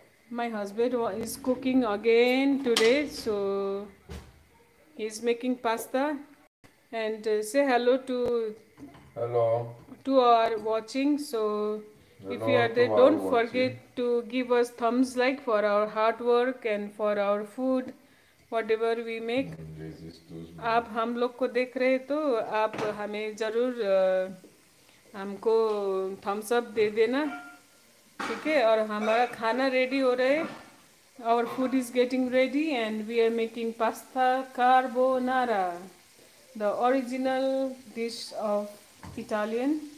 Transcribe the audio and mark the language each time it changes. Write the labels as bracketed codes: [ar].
[en] My husband is cooking again today. So he is making pasta. And say hello to... Hello. To our watching. So if you are there, don't forget to give us thumbs like for our hard work and for our food, whatever we make. [hi] आप हम लोग को देख रहे तो आप हमें जरूर हमको thumbs up दे देना, ठीक है? और हमारा खाना ready हो रहा है. [en] Our food is getting ready and we are making pasta carbonara, the original dish of Italian.